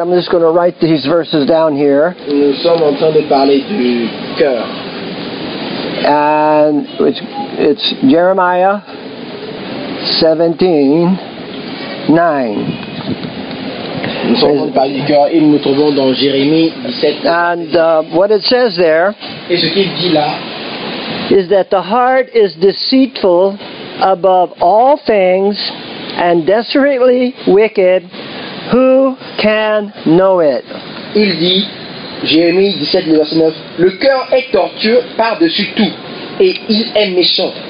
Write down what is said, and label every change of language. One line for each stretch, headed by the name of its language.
English: I'm just going to write these verses down here.
French: Nous sommes en train de parler du cœur.
English: And it's Jeremiah 17:9.
French: Et nous trouvons dans Jérémie 17.
English: And what it says there
French: et ce qu'il dit là,
English: is that the heart is deceitful above all things and desperately wicked. Who can know it?
French: Il dit, Jérémie 17, verset 9, le cœur est tortueux par-dessus tout et il est méchant.